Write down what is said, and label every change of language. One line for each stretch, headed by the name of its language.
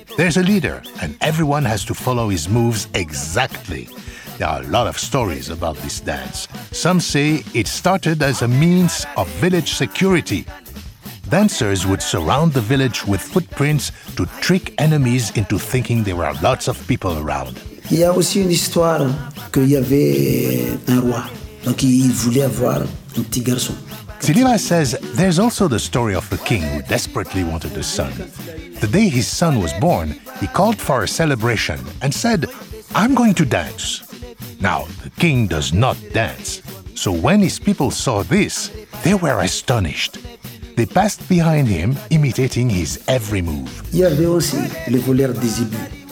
English: There's a leader, and everyone has to follow his moves exactly. There are a lot of stories about this dance. Some say it started as a means of village security. Dancers would surround the village with footprints to trick enemies into thinking there were lots of people around.
French: Il y a aussi une histoire qu'il y avait un roi, donc il voulait avoir un petit garçon.
English: Sidima says there's also the story of a king who desperately wanted a son. The day his son was born, he called for a celebration and said, "I'm going to dance." Now, the king does not dance. So when his people saw this, they were astonished. They passed behind him, imitating his every move.
French: Il y avait aussi les voleurs des ibis.